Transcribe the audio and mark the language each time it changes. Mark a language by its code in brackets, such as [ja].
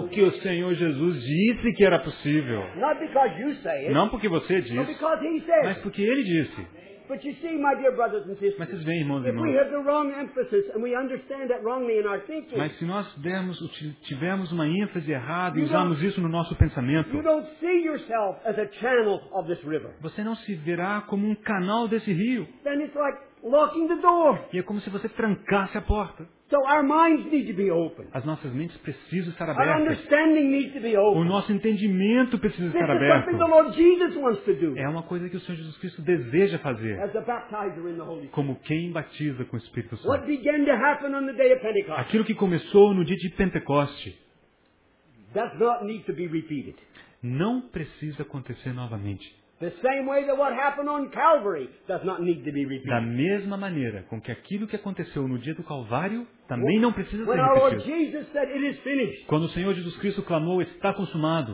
[pt] Porque o Senhor Jesus disse que era possível. [en] Not because you say it. [pt] Não porque você disse. [en] But because he said. [pt] Mas porque ele disse. [en] But you see, my dear brothers and sisters, [pt] mas vocês veem, irmãos e irmãs, [en] if we have the wrong emphasis and we understand that wrongly in our thinking, [pt] mas se nós dermos, tivermos uma ênfase errada e usarmos isso no nosso pensamento, [en] you don't see yourself as a channel of this river. [pt] Você não se verá como um canal desse rio. [en] Then it's like locking the door. [pt] E é como se você trancasse a porta. [en] So our minds need to be open. [pt] As nossas mentes precisam estar abertas. [en] Our understanding needs to be open. [pt] O nosso entendimento precisa [en] This [pt] estar [en] is [pt] aberto. [en] Something the Lord Jesus wants to do. [pt] É uma coisa que o Senhor Jesus Cristo deseja fazer. [en] As a baptizer in the Holy Spirit. [pt] Como quem batiza com o Espírito Santo. [en] What began to happen on the day of Pentecost. [pt] Aquilo que começou no dia de Pentecoste. [en] Does not need to be repeated. [pt] Não precisa acontecer novamente. [en] The same way that what happened on Calvary does not need to be repeated. [pt] Da mesma maneira com que aquilo que aconteceu no dia do Calvário também não precisa [en] When [pt] ser repetido. [en] Our Lord Jesus said, "It is finished." [pt] Quando o Senhor Jesus Cristo clamou, está consumado.